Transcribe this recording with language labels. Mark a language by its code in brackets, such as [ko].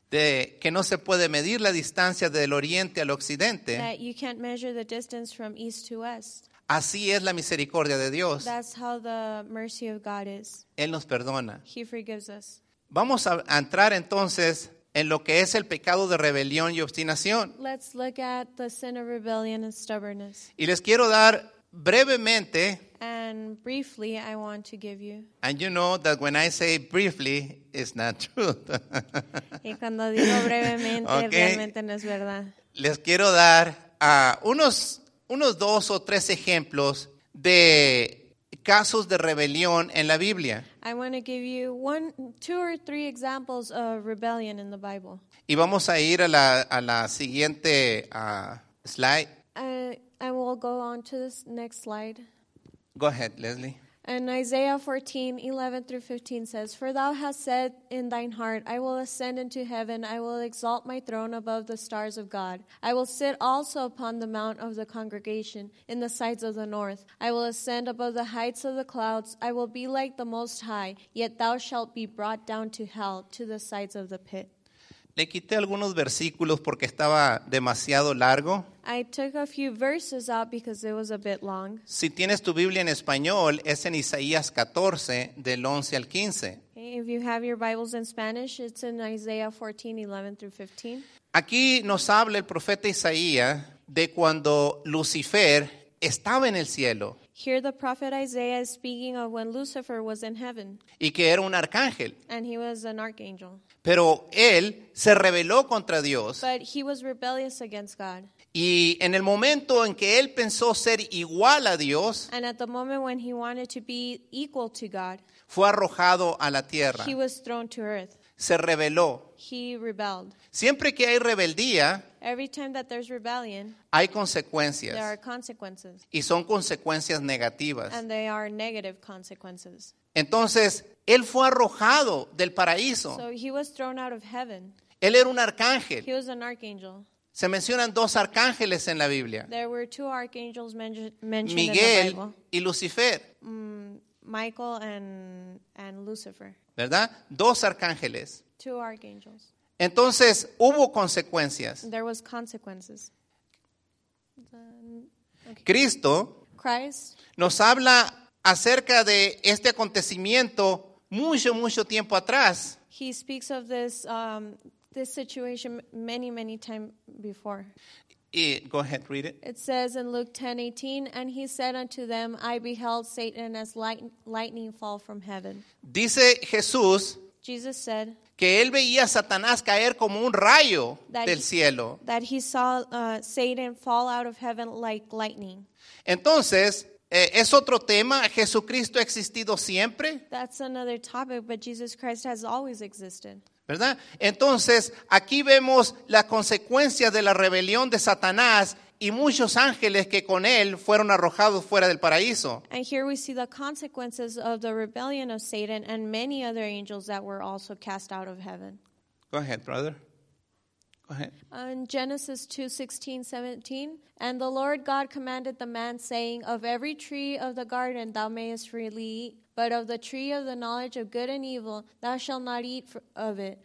[es] De que no se puede medir la distancia del oriente al occidente. [en] That you can't measure the distance from east to west. [es] Así es la misericordia de Dios. [en] That's how the mercy of God is. [es] Él nos perdona. [en] He forgives us. [es] Vamos a entrar entonces en lo que es el pecado de rebelión y obstinación. [en] Let's look at the sin of rebellion and stubbornness. [es] Y les quiero dar brevemente. [en] And briefly, I want to give you. And you know that when I say briefly, it's not true. [es] Y cuando digo brevemente, realmente no es verdad. Les quiero dar unos dos o tres ejemplos de casos de rebelión en la Biblia. [en] I want to give you one, two or three examples of rebellion in the Bible. [es] Y vamos a ir a la siguiente slide. [en] I will go on to this next slide. Go ahead, Leslie. And Isaiah 14, 11 through 15 says, "For thou hast said in thine heart, I will ascend into heaven, I will exalt my throne above the stars of God. I will sit also upon the mount of the congregation in the sides of the north. I will ascend above the heights of the clouds, I will be like the Most High, yet thou shalt be brought down to hell, to the sides of the pit." [es] Le quité algunos versículos porque estaba demasiado largo. [en] I took a few verses out because it was a bit long. [es] Si tienes tu Biblia en español, es en Isaías 14, del 11 al 15. [en] If you have your Bibles in Spanish, it's in Isaiah 14, 11 through 15. [es] Aquí nos habla el profeta Isaías de cuando Lucifer estaba en el cielo. [en] Here the prophet Isaiah is speaking of when Lucifer was in heaven. [es] Y que era un arcángel. [en] And he was an archangel. [es] Pero él se rebeló contra Dios. [en] But he was rebellious against God. [es] Y en el momento en que él pensó ser igual a Dios, [en] and at the moment when he wanted to be equal to God, [es] fue arrojado a la tierra. [en] He was thrown to earth. [es] Se rebeló. [en] He rebelled. [es] Siempre que hay rebeldía, [en] every time that there's rebellion, [es] hay consecuencias. [en] There are consequences. [es] Y son consecuencias negativas. [en] And they are negative consequences. [es] Entonces, él fue arrojado del paraíso. [en] So he was thrown out of heaven. [es] Él era un arcángel. [en] He was an archangel. [es] Se mencionan dos arcángeles en la Biblia. [en] There were two archangels mentioned [es] Miguel [en] in the Bible. [es] Y Lucifer. [en] Michael and Lucifer. [es] ¿Verdad? Dos arcángeles. [en] Two archangels. [es] Entonces, hubo consecuencias. [en] There was consequences. [es] Cristo. [en] Christ. [es] Nos habla acerca de este acontecimiento mucho, mucho tiempo atrás. [en] He speaks of this this situation many, many times before. Go ahead, read it. It says in Luke 10:18, "And he said unto them, I beheld Satan as lightning fall from heaven." [es] Dice Jesús, [en] Jesus said, [es] que él veía a Satanás caer como un rayo del cielo. [en] That he saw Satan fall out of heaven like lightning. [es] Entonces, es otro tema. Jesucristo ha existido siempre. [en] That's another topic, but Jesus Christ has always existed. [es] ¿Verdad? Entonces, aquí vemos la consecuencia de la rebelión de Satanás y muchos ángeles que con él fueron arrojados fuera del paraíso. [en] And here we see the consequences of the rebellion of Satan and many other angels that were also cast out of heaven. Go ahead, brother. Go ahead. In Genesis 2:16-17, "And the Lord God commanded the man, saying, of every tree of the garden thou mayest freely eat, but of the tree of the knowledge of good and evil, thou shalt not eat of it.